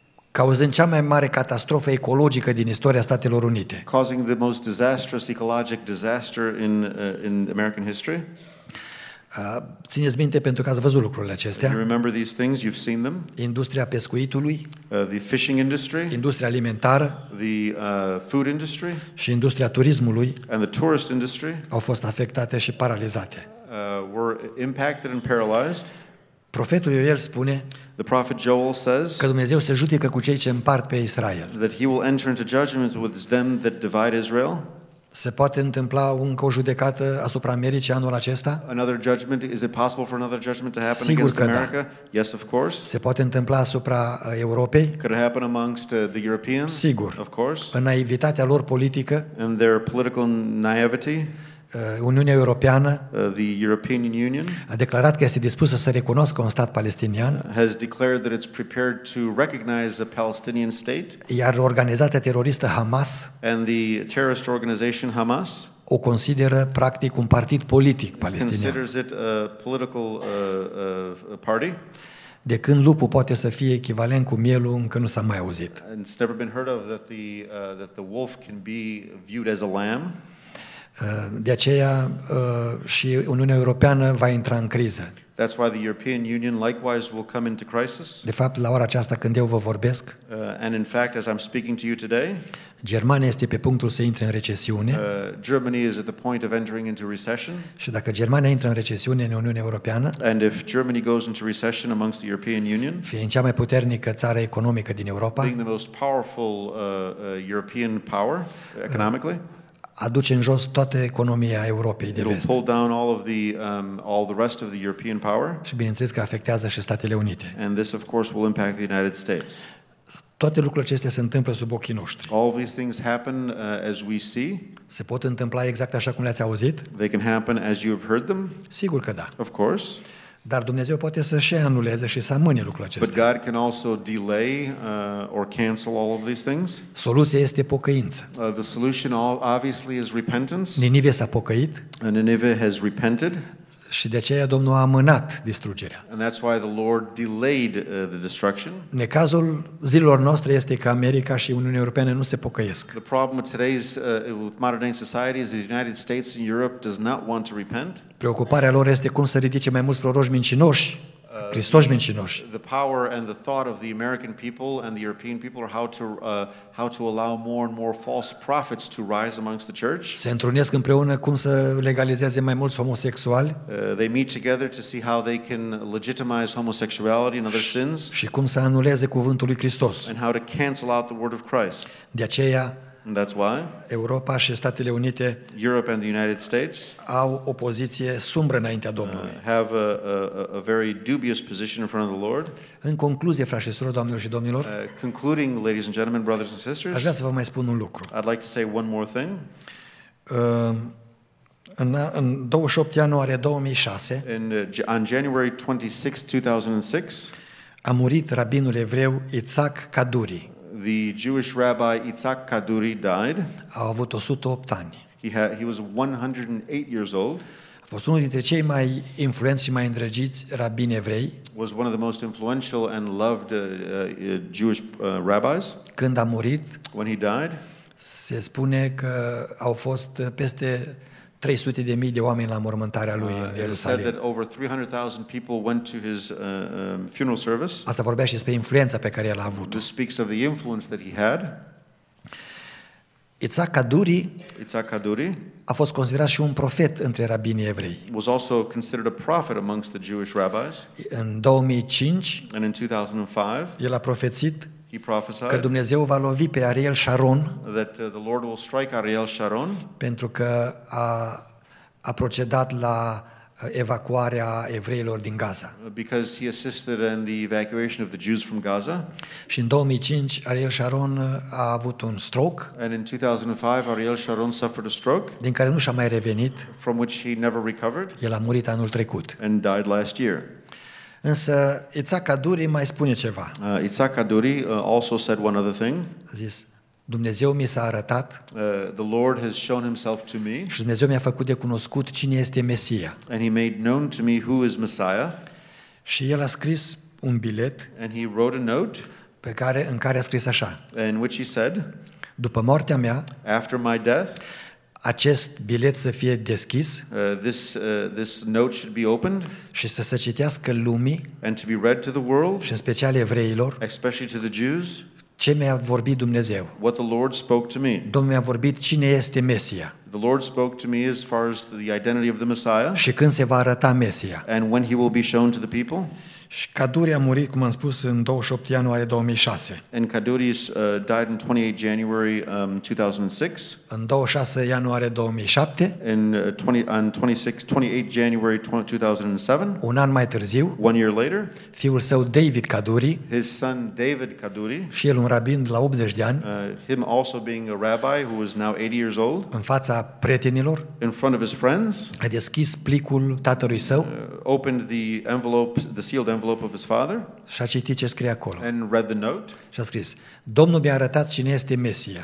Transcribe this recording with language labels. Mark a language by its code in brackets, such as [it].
[ro] cauzând cea mai mare catastrofă ecologică din istoria Statelor Unite. [en] Causing the most disastrous ecologic disaster in American history. [ro] Țineți minte pentru că ați văzut lucrurile acestea. [en] You remember these things, you've seen them. [ro] Industria pescuitului, [en] the fishing industry, [ro] industria alimentară, [en] the food industry, [ro] și industria turismului, [en] and the tourist industry, [ro] au fost afectate și paralizate. [en] Were impacted and paralyzed. [ro] Profetul Ioel spune, [en] the prophet Joel says, [ro] că Dumnezeu se judecă cu cei ce împart pe Israel. [en] That he will enter into judgment with them that divide Israel. [ro] Se poate întâmpla încă o judecată asupra Americii anul acesta? [en] Another judgment, is it possible for another judgment to happen against America? [ro] Da. [en] Yes, of course. [ro] Se poate întâmpla asupra Europei? [en] Could it happen amongst the Europeans? [ro] Sigur. [en] Of course. [ro] În naivitatea lor politică, [en] in their political naivety, [ro] Uniunea Europeană, [en] the European Union, [ro] a declarat că este dispusă să recunoască un stat palestinian, [en] has declared that it's prepared to recognize a Palestinian state, [ro] iar organizația teroristă Hamas, [en] and the terrorist organization Hamas, [ro] o consideră practic un partid politic palestinian. [en] Considers it a political party. [ro] De când lupul poate să fie echivalent cu mielul, încă nu s-a mai auzit. [en] It's never been heard of that the wolf can be viewed as a lamb. [ro] De aceea și Uniunea Europeană va intra în criză. [en] That's why the European Union likewise will come into crisis. [ro] De fapt, la ora aceasta când eu vă vorbesc, [en] and in fact as I'm speaking to you today, [ro] Germania este pe punctul să intre în recesiune. [en] Germany is at the point of entering into recession. [ro] Și dacă Germania intră în recesiune în Uniunea Europeană, [en] and if Germany goes into recession amongst the European Union, [ro] fiind cea mai puternică țară economică din Europa, [en] being the most powerful European power economically, [ro] aduce în jos toată economia Europei de vest. [en] Pull down all of the all the rest of the European power. [ro] Și bineînțeles că afectează și Statele Unite. [en] And this of course will impact the United States. [ro] Toate lucrurile acestea se întâmplă sub ochii noștri. [en] All these things happen as we see. [ro] Se pot întâmpla exact așa cum le-ați auzit? [en] They can happen as you've heard them. [ro] Sigur că da. [en] Of course. [ro] Dar Dumnezeu poate să și anuleze și să amâne lucrurile acestea. [en] But God can also delay or cancel all of these things. [ro] Soluția este pocăință. [en] The solution obviously is repentance. [ro] Ninive s-a pocăit. [en] Nineveh has repented. [ro] Și de aceea Domnul a amânat distrugerea. [en] And that's why the Lord delayed the destruction. [ro] Necazul zilelor noastre este că America și Uniunea Europeană nu se pocăiesc. [en] The problem with today's with modern day society is the United States and Europe does not want to repent. [ro] Preocuparea lor este cum să ridice mai mulți proroși mincinoși, Hristoși mincinoși. [en] The power and the thought of the American people and the European people are how to allow more and more false prophets to rise amongst the church. [ro] Se întrunesc împreună cum să legalizeze mai mulți homosexuali. [en] They meet together to see how they can legitimize homosexuality and other sins. [ro] Și cum să anuleze cuvântul lui Hristos. [en] And how to cancel out the word of Christ. [ro] De aceea, [en] that's why [ro] Europa și Statele Unite, [en] Europe and the United States, [ro] au o poziție sumbră înaintea Domnului. [en] Have a very dubious position in front of the Lord. [ro] În concluzie, frașesorilor, doamnelor și domnilor, [en] concluding, ladies and gentlemen, brothers and sisters, [ro] aș vrea să vă mai spun un lucru. [en] I'd like to say one more thing. [ro] În 28 ianuarie 2006, [en] on January 26, 2006, [ro] a murit rabinul evreu Itzhak Kaduri. [en] The Jewish rabbi Itzhak Kaduri died. [ro] A avut 108 ani. [en] He was 108 years old. [ro] A fost unul dintre cei mai influenți și mai îndrăgiți rabini evrei. [en] Was one of the most influential and loved Jewish rabbis. [ro] Când a murit, [en] when he died, [ro] se spune că au fost peste 300.000 de oameni la mormântarea lui în Ierusalim. [en] It said that over 300,000 people went to his funeral service. [ro] Asta vorbea și despre influența pe care el a avut-o. [en] This speaks of the influence that he had. [ro] Itzhak Kaduri a fost considerat și un profet între rabinii evrei. [en] Was also considered a prophet amongst the Jewish rabbis. [ro] În 2005, [en] and in 2005, [ro] el a profețit, [en] he prophesied, [ro] că Dumnezeu va lovi pe Ariel Sharon, [en] that the Lord will strike Ariel Sharon, [ro] pentru că a procedat la evacuarea evreilor din Gaza. [en] Because he assisted in the evacuation of the Jews from Gaza. [ro] Și în 2005 Ariel Sharon a avut un stroke. [en] And in 2005 Ariel Sharon suffered a stroke. [ro] Din care nu și-a mai revenit. [en] From which he never recovered. [ro] El a murit anul trecut. [en] And died last year. [ro] Însă Itzhak Kaduri mai spune ceva. [en] Itzhak Kaduri also said one other thing. [ro] A zis, Dumnezeu mi s-a arătat. [en] The Lord has shown himself to me. [ro] Și Dumnezeu mi-a făcut de cunoscut cine este Mesia. [en] And he made known to me who is Messiah. [ro] Și el a scris un bilet. [en] And he wrote a note. [ro] În care a scris așa. [en] In which he said, [ro] după moartea mea, [en] after my death, [ro] acest bilet să fie deschis [en] this note should be opened, [ro] și să se citească lumii, [en] and to be read to the world, [ro] și în special evreilor, [en] especially to the Jews, [ro] ce mi-a vorbit Dumnezeu. [en] What the Lord spoke to me. [ro] Domnul mi-a vorbit cine este Mesia. [en] The Lord spoke to me as far as the identity of the Messiah. [ro] Și când se va arăta Mesia. [en] And when he will be shown to the people. [ro] Și Kaduri a murit, cum am spus, în 28 ianuarie 2006. [en] And Kaduri died on 28 January 2006. [ro] În 26 ianuarie 2007. [en] On 28 January 2007. [ro] Un an mai târziu. [en] One year later. [ro] Fiul său David Kaduri. [en] His son David Kaduri. [ro] Și el un rabin la 80 de ani. [en] Him also being a rabbi who was now 80 years old. [ro] În fața prietenilor. [en] In front of his friends. [ro] A deschis plicul tatălui său. [en] Opened the envelope, the sealed envelope of his father. [ro] Și a citit ce scrie acolo. [en] And read the note. [ro] Și a scris: Domnul mi-a arătat cine este Mesia.